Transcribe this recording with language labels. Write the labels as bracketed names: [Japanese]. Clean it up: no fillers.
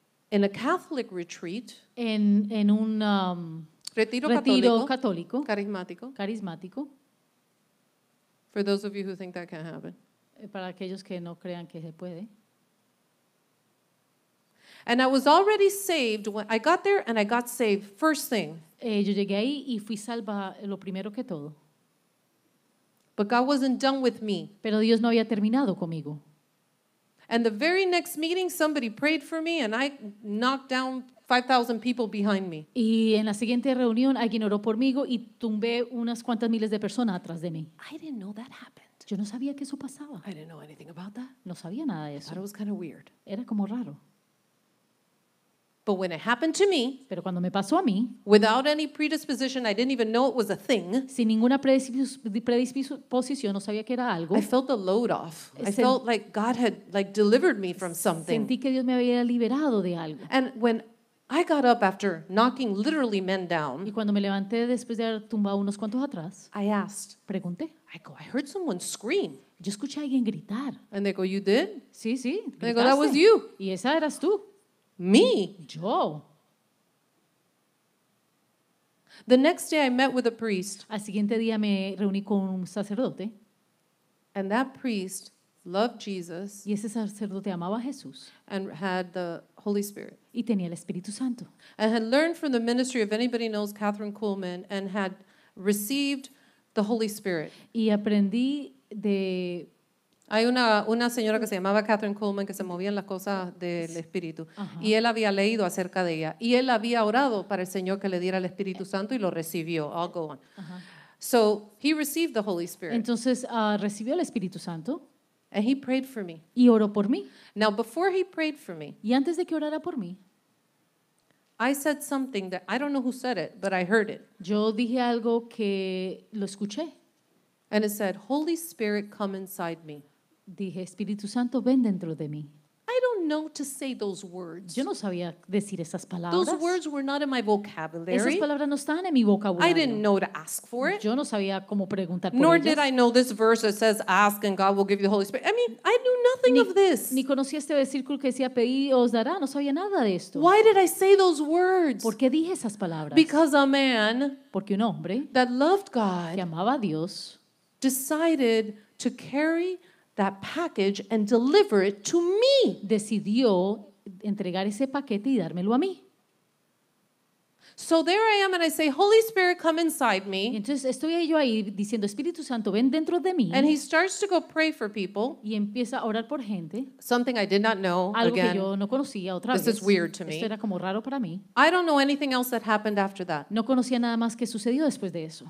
[English] In a Catholic retreat. [Spanish] En un Retiro católico. Carismático. Carismático. [English] For those of you who think that can happen. [Spanish] Para aquellos que no crean que se puede. [English] And I was already saved when I got there, and I got saved first thing. [Spanish] Yo llegué ahí y fui salva lo primero que todo. [English] But God wasn't done with me. [Spanish] Pero Dios no había terminado conmigo. [English] And the very next meeting, somebody prayed for me, and I knocked down 5,000 people behind me. [Spanish] Y en la siguiente reunión alguien oró por mí y tumbé unas cuantas miles de personas atrás de mí. [English] I didn't know that happened. [Spanish] Yo no sabía que eso pasaba. [English] I didn't know anything about that. [Spanish] No sabía nada de eso. [English] I thought it was kind of weird. [Spanish] Era como raro. [English] But when it happened to me, [Spanish] pero cuando me pasó a mí, [English] without any predisposition, I didn't even know it was a thing. [Spanish] Sin ninguna predisposición, no sabía que era algo. [English] I felt a load off. I felt like God had like delivered me from something. [Spanish] Sentí que Dios me había liberado de algo. [English] And when I got up after knocking literally men down. [Spanish] Y cuando me levanté después de haber tumbado unos cuantos atrás, [English] I asked. [Spanish] Pregunté. [English] I heard someone scream. [Spanish] Yo escuché a alguien gritar. [English] And they go, "You did?" [Spanish] Sí, sí. [English] And they go, "That was you." [Spanish] Y esa eras tú. [English] Me. [Spanish] Yo. [English] The next day I met with a priest. [Spanish] Al siguiente día me reuní con un sacerdote. [English] And that priest loved Jesus. [Spanish] Y ese sacerdote amaba a Jesús. [English] And had the Holy Spirit. [Spanish] Y tenía el Espíritu Santo. [English] And had learned from the ministry, if anybody knows Catherine Kuhlman, and had received the Holy Spirit. [Spanish] Y aprendí de... Hay una señora que se llamaba Catherine Kuhlman que se movía en las cosas del Espíritu. Ajá. Y él había leído acerca de ella. Y él había orado para el Señor que le diera el Espíritu Santo y lo recibió. [English] I'll go on. Ajá. So, he received the Holy Spirit. [Spanish] Entonces, recibió el Espíritu Santo. [English] And he prayed for me. [Spanish] Y oró por mí. [English] Now, before he prayed for me, [Spanish] y antes de que orara por mí, [English] I said something that I don't know who said it, but I heard it. [Spanish] Yo dije algo que lo escuché. [English] And it said, "Holy Spirit, come inside me." [Spanish] Dije, Espíritu Santo, ven dentro de mí. [English] I don't know to say those words. [Spanish] Yo no sabía decir esas palabras. [English] Those words were not in my vocabulary. [Spanish] Esas palabras no estaban en mi vocabulario. [English] I didn't know to ask for it. [Spanish] Yo no sabía cómo preguntar por [English] Nor [Spanish] ellas. [English] Did I know this verse that says, "Ask and God will give you the Holy Spirit." I mean, I knew nothing of this. [Spanish] Ni conocía este versículo que decía, "Pedid y os dará." No sabía nada de esto. [English] Why did I say those words? [Spanish] ¿Por qué dije esas palabras? [English] Because a man, [Spanish] porque un hombre, [English] that loved God, [Spanish] que amaba a Dios, [English] decided to carry that package and deliver it to me. [Spanish] Decidió entregar ese paquete y dármelo a mí. [English] So there I am and I say, "Holy Spirit, come inside me." [Spanish] Entonces estoy yo ahí diciendo, Espíritu Santo, ven dentro de mí. [English] And he starts to go pray for people. [Spanish] Y empieza a orar por gente. [English] Something I did not know. [Spanish] Algo [English] again, [Spanish] que yo no conocía otra [English] this [Spanish] vez. [English] This is weird to me. [Spanish] Esto era como raro para mí. [English] I don't know anything else that happened after that. [Spanish] No conocía nada más que sucedió después de eso.